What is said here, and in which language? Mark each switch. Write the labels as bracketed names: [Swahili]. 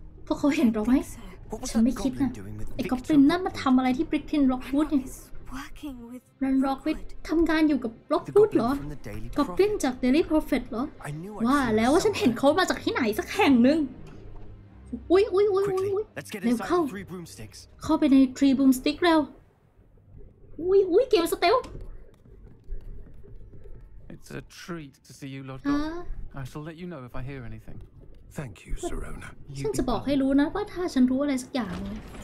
[Thai] พวกเขาเห็นเราไหมฉันไม่คิดน่ะไอ้ก็อบลินนั่นมาทำอะไรที่บริกตินล็อกวูดเนี่ยรันร็อกวิททำงานอยู่กับล็อกวูดเหรอกอบลินจาก Daily Prophet เหรอว่าแล้วว่าฉันเห็นเขามาจากที่ไหนสักแห่งหนึ่งอุ๊ยอุ๊ยอุ๊ยอุ๊ยเร็วเข้าไปใน Tree Broomstick เร็วอุ๊ยอุ๊ยเกมสเตล [English] It's a treat to see you Lord God I shall let you know if I hear anything Thank you Serona [Thai] ฉันจะบอกให้รู้นะว่าถ้าฉันรู้อะไรสักอย่างอุ๊ย